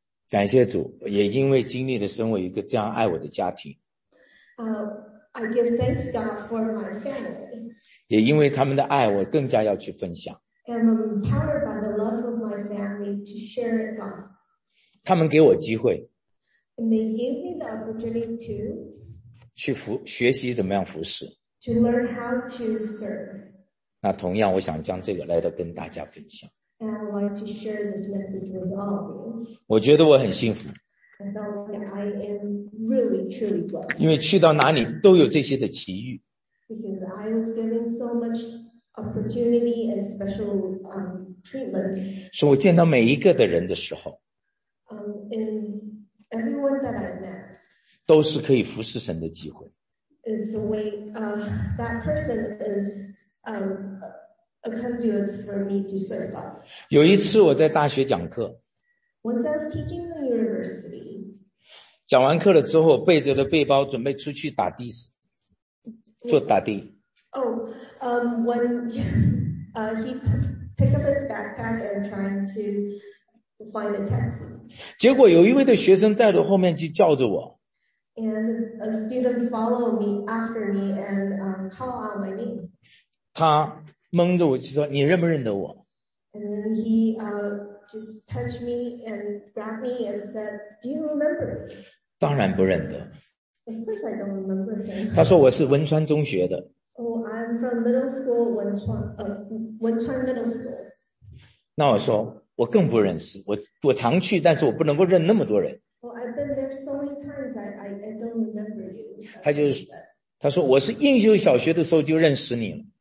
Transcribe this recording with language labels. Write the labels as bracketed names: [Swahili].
[Chinese] 感谢主，也因为经历了身为一个这样爱我的家庭。 [English] I give thanks God for my family. [Chinese] 也因为他们的爱，我更加要去分享。 [English] I'm empowered by the love of my family to share God's. [Chinese] 他们给我机会。 [English] And they gave me the opportunity to. [Chinese] 去学习怎么样服侍。 [English] To learn how to serve. [Chinese] 那同样，我想将这个来到跟大家分享。 [English] And I'd like to share this message with all of you. [Chinese] 我觉得我很幸福。 [English] I am really, truly blessed. [Chinese] 因为去到哪里都有这些的奇遇。 [English] Because I was given so much opportunity and special treatments. [Chinese] 是我见到每一个的人的时候。 [English] And everyone that I met. [Chinese] 都是可以服侍神的机会。 [English] Is the way that person is a conduit for me to serve God. [Chinese] 有一次我在大学讲课。 [English] Once I was teaching the university. [Chinese] 讲完课了之后，背着的背包准备出去打的时，坐打的。 [English] He picked up his backpack and trying to find a taxi. [Chinese] 结果有一位的学生在后面就叫着我。 [English] And a student followed me after me and called out my name. [Chinese] 他蒙着我就说：“你认不认得我？” [English] And then he just touch me and grab me and said, "Do you remember?" [Chinese] 当然不认得。 [English] Of course, I don't remember him. [Chinese] 他说我是汶川中学的。 [English] Oh, I'm from middle school, 汶川 middle school. [Chinese] 那我说我更不认识，我常去，但是我不能够认那么多人。 [English] Well, I've been there so many times, I don't remember you. [Chinese] 他说我是应秀小学的时候就认识你了。